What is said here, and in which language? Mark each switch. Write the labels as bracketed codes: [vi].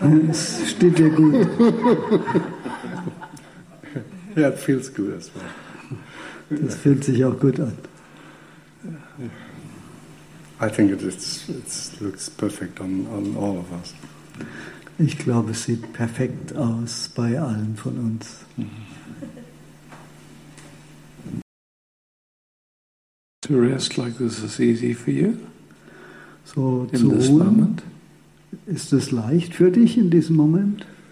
[de] Es steht dir gut. [en] Yeah, it feels good as well. [de] Das fühlt sich auch gut an. [en] I think it looks perfect on all of us. [de] Ich glaube, es sieht perfekt aus bei allen von uns. [en] To rest like this is easy for you? [de] So zu ruhen, ist es leicht für dich in diesem Moment?